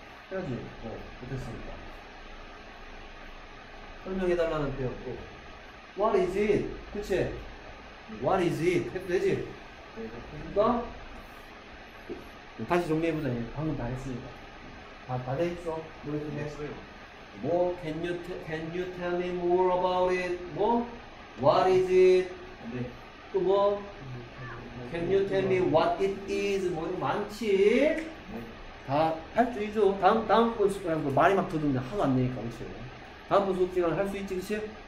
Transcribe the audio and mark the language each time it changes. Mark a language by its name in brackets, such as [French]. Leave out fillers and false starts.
[Korean] 해야지. 어, 못했습니다. 설명해 달라는 표현 또. [English] What is it? [Korean] 그치? What is it? 해도 되지? 그니까 다시 정리해보자. 방금 다 했으니까 다 됐어. 뭐 했어요? [English] 뭐 can you tell me more about it? 뭐 What is it? [Korean] 네. [English] 또 뭐 Can you tell me what it is? [Korean] 뭐 이거 많지? 다 할 수 있죠. 다음 번 수업 말이 막 터졌는데 하도 안 되니까 그치? 다음 번 수업 시간 할 수 있지 그치?